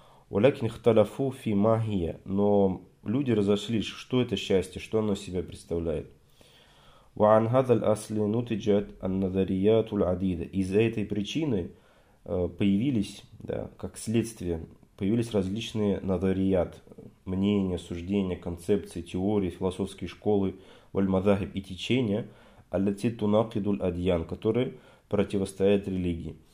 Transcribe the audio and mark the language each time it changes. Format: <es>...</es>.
<ar>«Валякин хталафу фи махия»,</ar> <ru>но люди разошлись, что это счастье, что оно из себя представляет.</ru> <ar>وعن هذا الأصل نتجت النظريات العديدة.</ar> <ru>Из-за этой причины появились, да, как следствие, появились различные надарият, мнения, суждения, концепции, теории, философские школы, вальмадахиб, и течения,</ru> <ar>аллати тунакиду аль-адьян,</ar> <ru>которые противостоят религии.</ru>